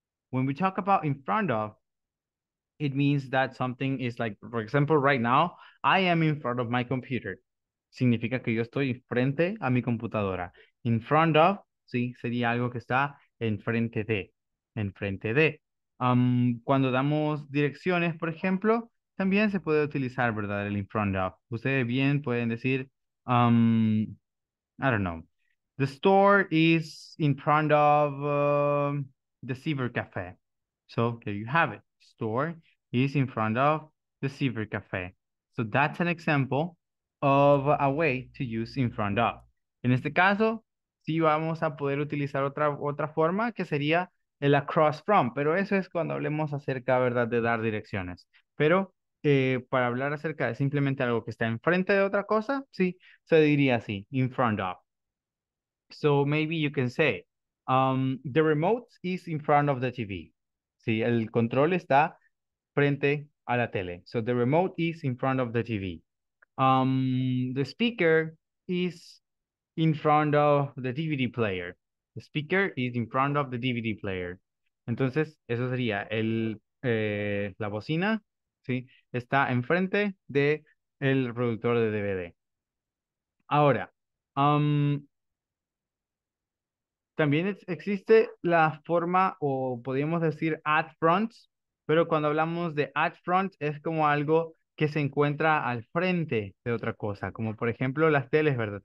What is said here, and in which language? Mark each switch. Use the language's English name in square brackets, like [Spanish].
[English] When we talk about in front of, it means that something is like, for example, right now, I am in front of my computer. [Spanish] Significa que yo estoy frente a mi computadora. In front of, sí, sería algo que está enfrente de. Enfrente de. Cuando damos direcciones, por ejemplo, también se puede utilizar, ¿verdad? El in front of. Ustedes bien pueden decir, [English] I don't know. The store is in front of the Silver Café. So there you have it. Store is in front of the Silver Café. So that's an example of a way to use in front of. [Spanish] En este caso, sí vamos a poder utilizar otra forma que sería el across from, pero eso es cuando hablemos acerca, ¿verdad?, de dar direcciones. Pero para hablar acerca de simplemente algo que está enfrente de otra cosa, sí, se diría así, in front of. [English] So maybe you can say, the remote is in front of the TV. [Spanish] Sí, el control está frente a la tele. [English] So the remote is in front of the TV. The speaker is in front of the DVD player. The speaker is in front of the DVD player. [Spanish] Entonces, eso sería la bocina, sí, está enfrente del reproductor de DVD. Ahora, También existe la forma, o podríamos decir, at front, pero cuando hablamos de at front es como algo que se encuentra al frente de otra cosa, como por ejemplo las teles, ¿verdad?